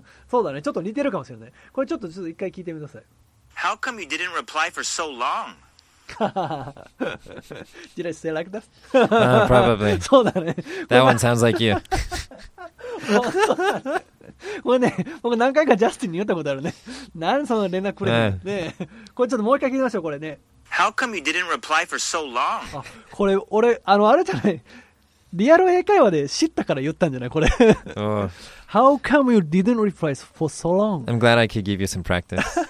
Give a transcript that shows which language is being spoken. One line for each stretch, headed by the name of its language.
Japanese: そうだね、ちょっと似てるかもしれない。これちょっとちょっと一回聞いてみなさい。
English: How come you didn't reply for so long? Did I say like that? Probably.
Japanese: そうだね。
English: That one sounds like you.
Japanese: これね、僕何回かジャスティンに言ったことあるね。なんその連絡くれる、ね、これちょっともう一回聞いてみましょう、これね。
English: How come you didn't reply for so long?
Japanese: これ俺あれじゃない、リアル英会話で知ったから言ったんじゃないこれ。 Oh.
English: How come you didn't reply for so long? I'm glad I could give you some practice.